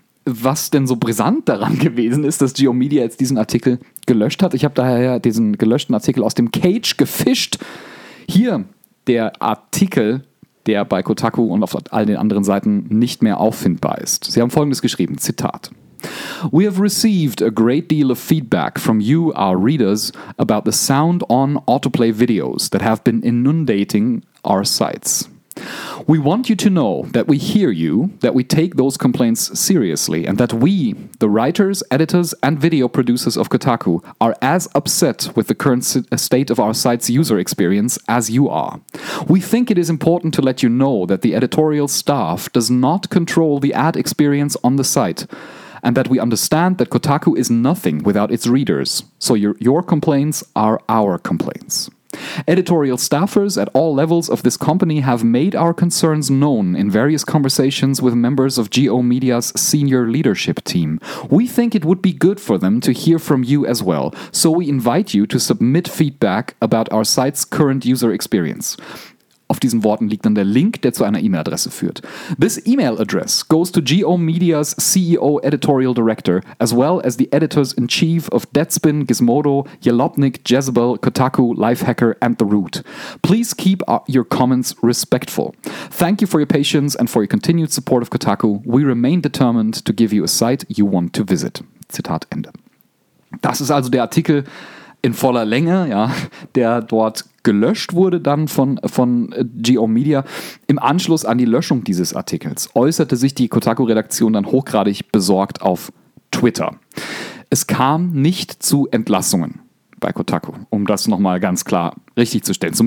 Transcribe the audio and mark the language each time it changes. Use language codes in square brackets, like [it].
[de] was denn so brisant daran gewesen ist, dass GeoMedia jetzt diesen Artikel gelöscht hat. Ich habe daher ja diesen gelöschten Artikel aus dem Cage gefischt. Hier der Artikel, der bei Kotaku und auf all den anderen Seiten nicht mehr auffindbar ist. Sie haben Folgendes geschrieben, Zitat. [en] We have received a great deal of feedback from you, our readers, about the sound on autoplay videos that have been inundating our sites. We want you to know that we hear you, that we take those complaints seriously, and that we, the writers, editors, and video producers of Kotaku, are as upset with the current state of our site's user experience as you are. We think it is important to let you know that the editorial staff does not control the ad experience on the site, and that we understand that Kotaku is nothing without its readers, so your complaints are our complaints. Editorial staffers at all levels of this company have made our concerns known in various conversations with members of GeoMedia's senior leadership team. We think it would be good for them to hear from you as well, so we invite you to submit feedback about our site's current user experience. [de] Auf diesen Worten liegt dann der Link, der zu einer E-Mail-Adresse führt. [en] This email address goes to GeoMedia's CEO Editorial Director, as well as the Editors-in-Chief of Deadspin, Gizmodo, Jalopnik, Jezebel, Kotaku, Lifehacker and The Root. Please keep your comments respectful. Thank you for your patience and for your continued support of Kotaku. We remain determined to give you a site you want to visit. [de] Zitat Ende. Das ist also der Artikel in voller Länge, ja, der dort gelöscht wurde dann von GeoMedia. Im Anschluss an die Löschung dieses Artikels äußerte sich die Kotaku-Redaktion dann hochgradig besorgt auf Twitter. Es kam nicht zu Entlassungen bei Kotaku, um das nochmal ganz klar richtig zu stellen.